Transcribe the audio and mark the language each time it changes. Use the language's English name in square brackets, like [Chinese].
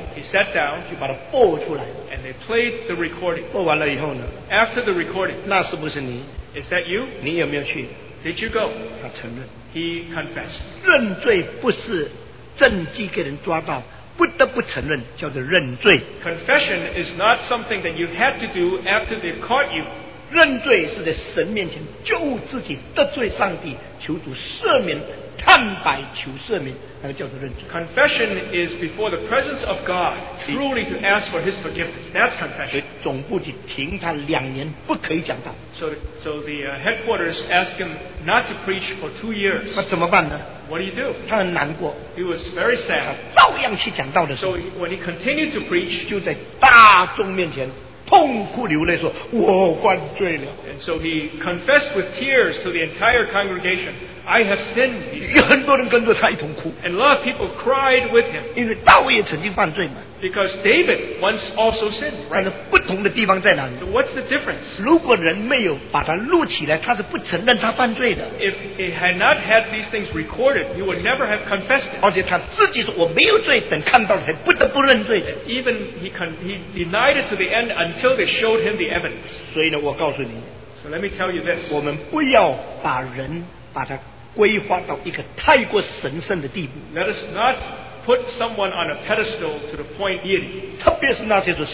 [English] He sat down. [Chinese] 就把他播出来。 [English] And they played the recording. [Chinese] 播完了以后呢？ [English] After the recording. [Chinese] 那是不是你？ [English] Is that you? [Chinese] 你有没有去？ [English] Did you go? [Chinese] 他承认。 [English] He confessed. [Chinese] 认罪不是证据给人抓到。不得不承认叫做认罪。 [English] Confession is not something that you had to do after they've caught you. [Chinese] 认罪是在神面前救自己得罪上帝求主赦免坦白求赦免那个叫做认罪。 [English] Confession is before the presence of God truly to ask for his forgiveness. That's confession. [Chinese] 所以总部就停他两年不可以讲道。 [English] So the headquarters asked him not to preach for 2 years. [Chinese] 那怎么办呢？ [English] What do you do? [Chinese] 他很难过。 [English] He was very sad. [Chinese] 他照样去讲道的时候。 [English] So when he continued to preach, [Chinese] 就在大众面前痛哭流泪说：“我犯罪了。” [English] And so he confessed with tears to the entire congregation, "I have sinned." [Chinese] 有很多人跟着他一同哭。 [English] And a lot of people cried with him. [Chinese] 因为大卫也曾经犯罪嘛。 [English] Because David once also sinned, right? [Chinese] 但是不同的地方在哪里? [English] So what's the difference? [Chinese] 如果人没有把他录起来，他是不承认他犯罪的。 [English] If he had not had these things recorded, he would never have confessed it. [Chinese] 而且他自己说我没有罪，等看到才不得不认罪的。 [English] Even he denied it to the end until they showed him the evidence. [Chinese] 所以呢，我告诉你。 [English] So let me tell you this. [Chinese] 我们不要把人把他规划到一个太过神圣的地步。 [English] Let us not put someone on a pedestal to the point deity.